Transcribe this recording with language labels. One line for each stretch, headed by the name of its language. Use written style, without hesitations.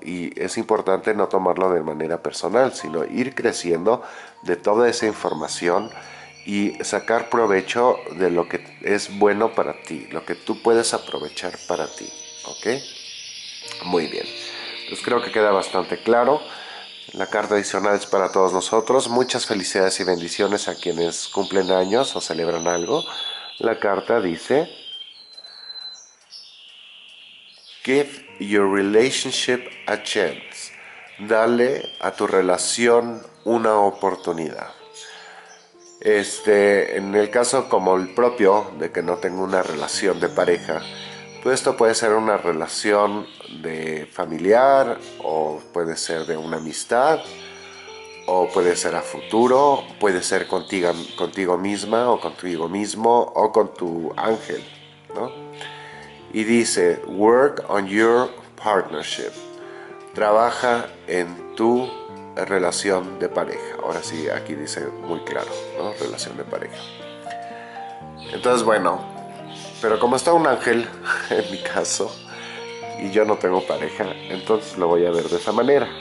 Spanish: Y es importante no tomarlo de manera personal, sino ir creciendo de toda esa información y sacar provecho de lo que es bueno para ti, lo que tú puedes aprovechar para ti. ¿Ok? Muy bien. Pues creo que queda bastante claro. La carta adicional es para todos nosotros. Muchas felicidades y bendiciones a quienes cumplen años o celebran algo. La carta dice:
English: Give your relationship a chance.
Spanish: Dale a tu relación una oportunidad. En el caso como el propio, de que no tengo una relación de pareja, pues esto puede ser una relación de familiar, o puede ser de una amistad, o puede ser a futuro, puede ser contigo misma, o contigo mismo, o con tu ángel, ¿no? Y dice,
English: work on your partnership.
Spanish: Trabaja en tu relación de pareja. Ahora sí, aquí dice muy claro, ¿no? Relación de pareja. Entonces, bueno, pero como está un ángel en mi caso y yo no tengo pareja, entonces lo voy a ver de esa manera.